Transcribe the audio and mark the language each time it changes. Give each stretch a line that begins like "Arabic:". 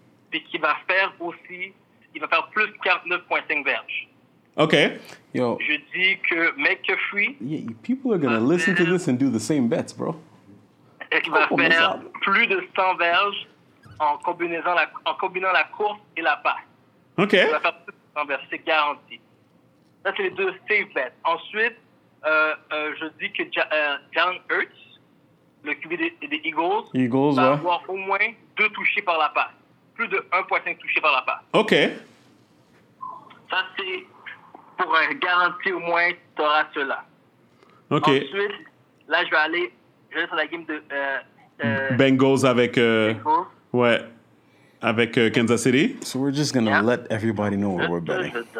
French: Puis qu'il va faire aussi, il va faire plus 49.5 verges. OK. Yo. Je dis que McCaffrey...
English: Yeah, people are going to listen to this and do the same bets, bro.
French: Et qu'il va faire plus de 100 verges en combinant la course et la passe. OK. Il va faire plus de 100 verges, c'est garanti. Ça, c'est les deux
English: safe bets.
French: Ensuite, je dis que Jalen Hurts, le QB des Eagles, Eagles va ouais. avoir au moins 2 touchés par la passe. Plus de 1,5 touchés par la passe. OK. Ça, c'est pour garantir au moins que tu auras cela. OK. Ensuite, là, je vais aller sur la game de... Bengals avec... ouais. Avec Kansas City.
English: So we're just going to let everybody know where we're betting.